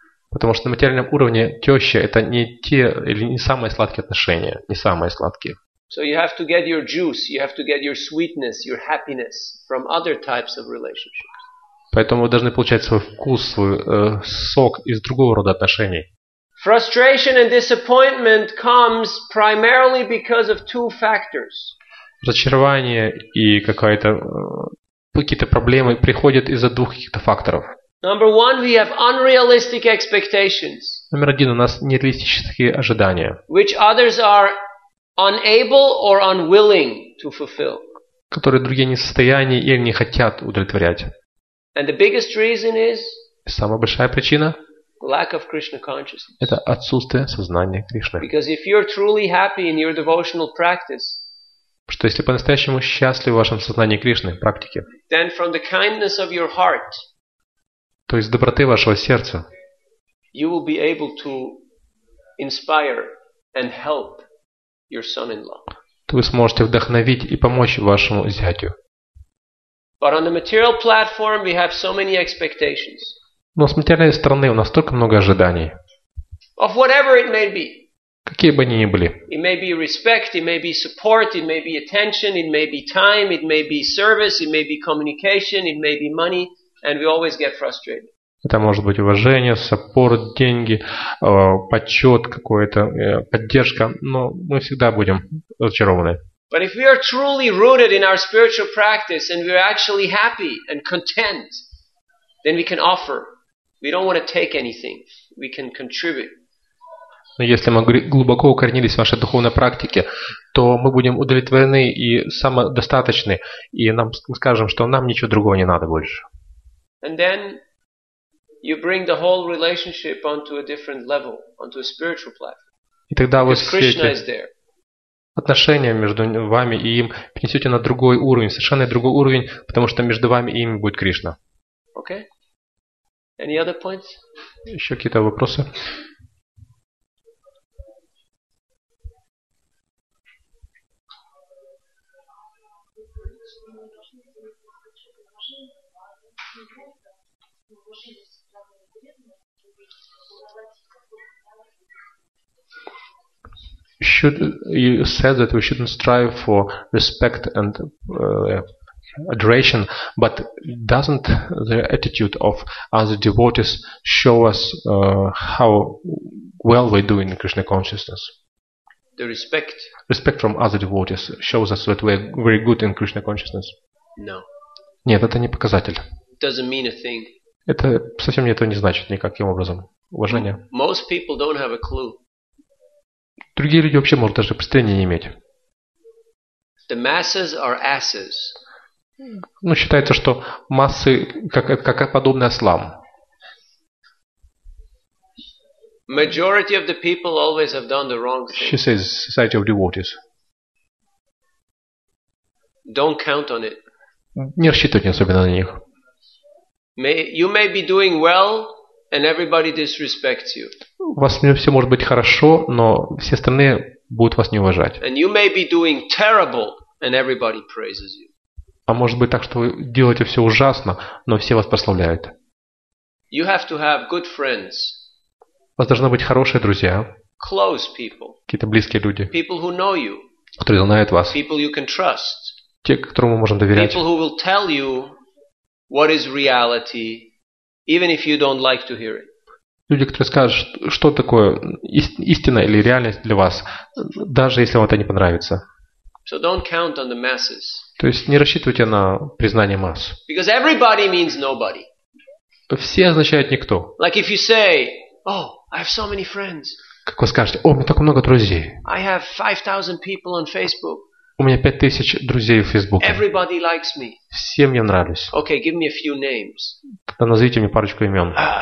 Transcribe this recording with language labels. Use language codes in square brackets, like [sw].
[ru] Потому что на материальном уровне теща это не те или не самые сладкие отношения, не самые сладкие. [en] So you have to get your juice, you have to get your sweetness, your happiness from other types of relationships. [ru] Поэтому вы должны получать свой вкус, свой сок из другого рода отношений. [en] Frustration and disappointment comes primarily because of two factors. [ru] Разочарование и какие-то проблемы приходят из-за двух каких-то факторов. [en] Number one, we have unrealistic expectations. [ru] Номер один, у нас нереалистические ожидания. [en] Which others are unable or unwilling to fulfill. [ru] Которые другие не в состоянии или не хотят удовлетворять. [en] And the biggest reason is [ru] самая большая причина [en] lack of Krishna consciousness. [ru] Это отсутствие сознания Кришны. [en] Because if you're truly happy in your devotional practice, [ru] что если по-настоящему счастливы в вашем сознании Кришны, практике, [en] then from the kindness of your heart, [ru] то есть доброты вашего сердца, [en] you will be able to inspire and help your son-in-law. [ru] То вы сможете вдохновить и помочь вашему зятю. [en] But on the material platform we have so many expectations. [ru] Но с материальной стороны у нас столько много ожиданий. [en] Of whatever it may be. [ru] Какие бы они ни были. [en] It may be respect, it may be support, it may be attention, it may be time, it may be service, it may be communication, it may be money, and we always get frustrated. [ru] Это может быть уважение, саппорт, деньги, почет какой-то, поддержка, но мы всегда будем разочарованы. [en] But if we are truly rooted in our spiritual practice and we are actually happy and content, then we can offer. We don't want to take anything. We can contribute. [ru] Но если мы глубоко укоренились в нашей духовной практике, то мы будем удовлетворены и самодостаточны, и нам скажем, что нам ничего другого не надо больше. [en] And then you bring the whole relationship onto a different level, onto a spiritual platform. [ru] И тогда вы [en] Krishna is there. [ru] Отношения между вами и им принесете на другой уровень, совершенно другой уровень, потому что между вами и им будет Кришна. [en] Okay. Any other points? [ru] Еще какие-то вопросы? [en] Should you said that we shouldn't strive for respect and adoration, but doesn't the attitude of other devotees show us how well we do in Krishna consciousness? The respect. Respect from other devotees shows us that we're very good in Krishna consciousness. No. [ru] Нет, это не показатель. [en] Doesn't mean a thing. [ru] Это совсем этого не значит никаким образом. Уважение. [en] Most people don't have a clue. [ru] Другие люди вообще могут даже представления не иметь. [en] The masses are asses. [ru] Ну, считается, что массы как подобный ослам. [en] Majority of the people always have done the wrong thing. She says society of devotees. Don't count on it. [ru] Не рассчитывайте особенно на них. [en] You may be doing well, and everybody disrespects you. [ru] У вас все может быть хорошо, но все остальные будут вас не уважать. [en] And you may be doing terrible, and everybody praises you. [ru] А может быть так, что вы делаете все ужасно, но все вас прославляют. [en] You have to have good friends. [ru] У вас должны быть хорошие друзья. [en] Close people. [ru] Какие-то близкие люди. [en] People who know you. [ru] Которые знают вас. [en] People you can trust. [ru] Те, которым мы можем доверять. [en] People who will tell you what is reality, even if you don't like to hear it. [ru] Люди, которые скажут, что такое истина или реальность для вас, даже если вам это не понравится. [en] So don't count on the masses. [ru] То есть не рассчитывайте на признание масс. [en] Because everybody means nobody. [ru] Все означают никто. [en] Like if you say, oh, I have so many friends. [ru] Как вы скажете, о, у меня так много друзей. [en] I have 5,000 people on Facebook. [ru] У меня 5,000 друзей в Фейсбуке. [en] Everybody likes me. [ru] Все мне нравились. [en] Okay, give me a few names. [ru] Тогда назовите мне парочку имен.